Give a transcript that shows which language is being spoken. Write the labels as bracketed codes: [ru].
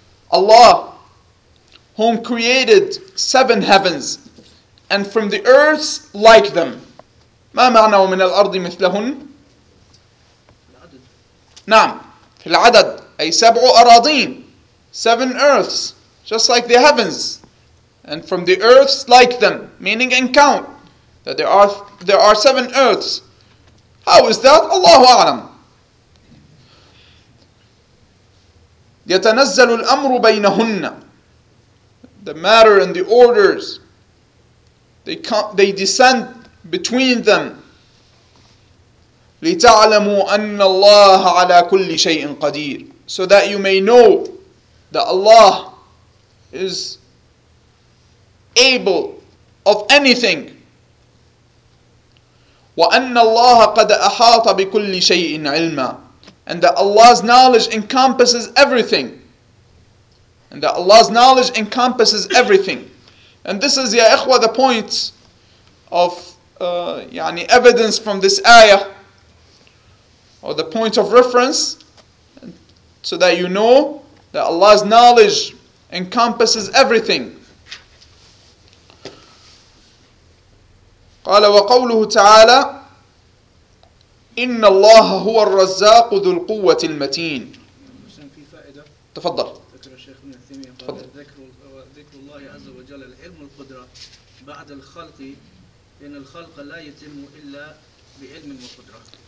[en] Allah, whom created seven heavens and from the earth like them. [ar] ما معنى ومن الأرض مثلهن؟ نعم في العدد أي سبع أراضين. [en] Seven earths, just like the heavens, and from the earths like them, meaning in count, that there are seven earths. How is that? [ar] الله أعلم. يتنزل الأمر بينهن. [en] The matter and the orders, they descend between them. [ar] لتعلموا أن الله على كل شيء قدير. [en] So that you may know that Allah is able of anything. [ar] وأن الله قد أحاط بكل شيء علما. [en] And that Allah's knowledge encompasses everything. And that Allah's knowledge encompasses everything. And this is, ya ikhwa, the point of يعني evidence from this ayah, or the point of reference, so that you know that Allah's knowledge encompasses everything. [ar] قال وقوله تعالى إن الله هو الرزاق ذو القوة المتين. تفضل. ذكر الشيخ ابن عثيمين قال ذكر الله عز وجل العلم والقدرة بعد الخلق, لأن الخلق لا يتم إلا بعلم وقدرة.